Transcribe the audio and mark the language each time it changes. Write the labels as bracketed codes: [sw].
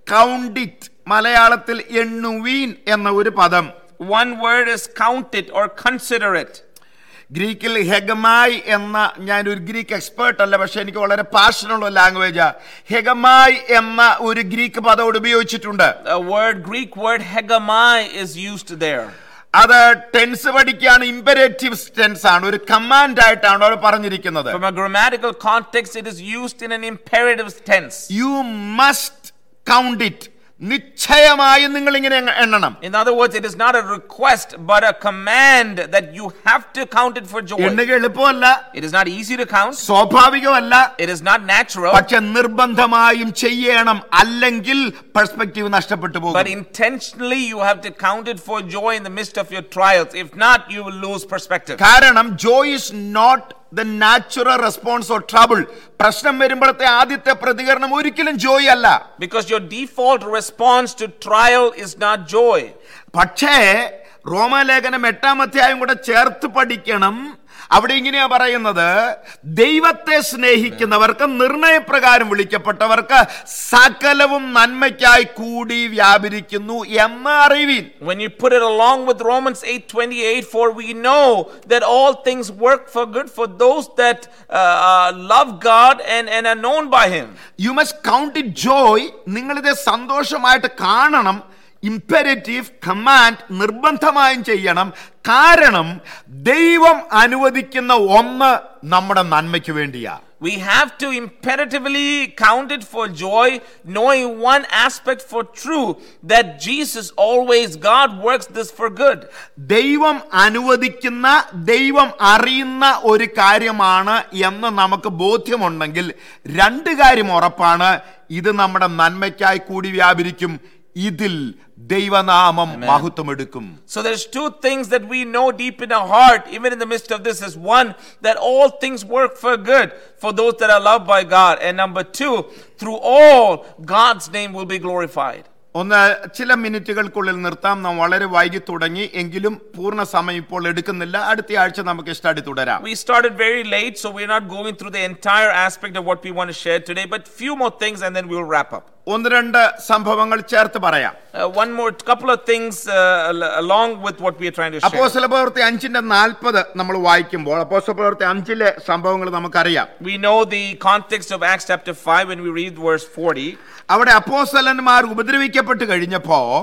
[en] Count it, [ml] മലയാളത്തിൽ എണ്ണുവീൻ എന്ന ഒരു പദം. [en] one word is count it or consider it. [ml] ഗ്രീക്കിൽ ഹെഗമായി എന്ന, ഞാൻ ഒരു ഗ്രീക്ക് എക്സ്പേർട്ട് അല്ല, പക്ഷെ എനിക്ക് വളരെ പാഷനുള്ള ലാംഗ്വേജ് ഹെഗമായി എന്ന ഒരു ഗ്രീക്ക് പദം ഉപയോഗിച്ചിട്ടുണ്ട്. [en] A word, Greek word hegemai is used there. [ml] അത് ടെൻസ് പഠിക്കുകയാണ്, ഇമ്പരേറ്റീവ് ടെൻസ് ആണ്, ഒരു കമാൻഡ് ആയിട്ടാണ് അവർ പറഞ്ഞിരിക്കുന്നത്. [en] From a grammatical context, it is used in an imperative tense. You must count it. [ml] നിശ്ചയമായും നിങ്ങൾ ഇങ്ങനെ എണ്ണണം. [en] In other words, it is not a request but a command that you have to count it for joy. [ml] എണ്ണുക എളുപ്പമല്ല. [en] It is not easy to count. [ml] സ്വാഭാവികമല്ല. [en] It is not natural. [ml] പക്ഷെ നിർബന്ധമായും ചെയ്യണം, അല്ലെങ്കിൽ perspective നഷ്ടപ്പെട്ടു പോകും. [en] But intentionally you have to count it for joy in the midst of your trials. If not, you will lose perspective. കാരണം joy is not the natural response or trouble. [ml] പ്രശ്നം വരുമ്പോഴത്തെ ആദ്യത്തെ പ്രതികരണം ഒരിക്കലും ജോയ് അല്ല. [en] Because your default response to trial is not joy. [ml] പക്ഷേ റോമാലേഖനം 8-ാം അധ്യായം കൂടെ ചേർത്ത് പഠിക്കണം. അവിടെ ഇങ്ങനെയാ പറയുന്നത്, ദൈവത്തെ സ്നേഹിക്കുന്നവർക്ക്, നിർണയപ്രകാരം വിളിക്കപ്പെട്ടവർക്ക് സകലവും നന്മയ്ക്കായി കൂടി വ്യാപരിക്കുന്നു എന്ന അറിവിൻ. [en] When you put it along with Romans 8:28, for we know that all things work for good for those that love God and are known by him. You must count it joy. [ml] നിങ്ങൾ ഇത് സന്തോഷമായിട്ട് കാണണം. [en] Imperative command, [ml] നിർബന്ധമായും ചെയ്യണം. കാരണം ദൈവം അനുവദിക്കുന്ന ഒന്ന് നമ്മുടെ നന്മയ്ക്ക് വേണ്ടിയാ. [en] We have to imperatively count it for joy, knowing one aspect for true, that Jesus always, God works this for good. [ml] ദൈവം അനുവദിക്കുന്ന, ദൈവം അറിയുന്ന ഒരു കാര്യമാണ് എന്ന് നമുക്ക് ബോധ്യമുണ്ടെങ്കിൽ രണ്ട് കാര്യം ഉറപ്പാണ്, ഇത് നമ്മുടെ നന്മയ്ക്കായി കൂടി വ്യാപരിക്കും, ഇതിൽ ദൈവനാമം മഹത്വം എടുക്കും. [en] So there's two things that we know deep in our heart, even in the midst of this, is one, that all things work for good for those that are loved by God, and number two, through all God's name will be glorified. [ml] ഒന്ന് ചില മിനിറ്റുകൾക്കുള്ളിൽ നിർത്താം. നാം വളരെ വൈകി തുടങ്ങി എങ്കിലും പൂർണ്ണ സമയം ഇപ്പോൾ എടുക്കുന്നില്ല. അടുത്ത ആഴ്ച നമുക്ക് സ്റ്റഡി തുടരാം. [en] We started very late, so we're not going through the entire aspect of what we want to share today, but few more things and then we'll wrap up. [ml] ഒന്ന് രണ്ട് സംഭവങ്ങൾ ചേർത്ത് പറയാം. [en] One more couple of things along with what we are trying to share. [ml] അപ്പോസ്തലപ്രവൃത്തി 5:40 നമ്മൾ വായിക്കുമ്പോൾ, അപ്പോസ്തലപ്രവൃത്തി 5-ലെ സംഭവങ്ങൾ നമുക്കറിയാം. [en] We know the context of Acts chapter 5 when we read verse 40. [ml] അവിടെ അപ്പോസ്തലന്മാർ ഉപദ്രവിക്കപ്പെട്ട് കഴിഞ്ഞപ്പോ,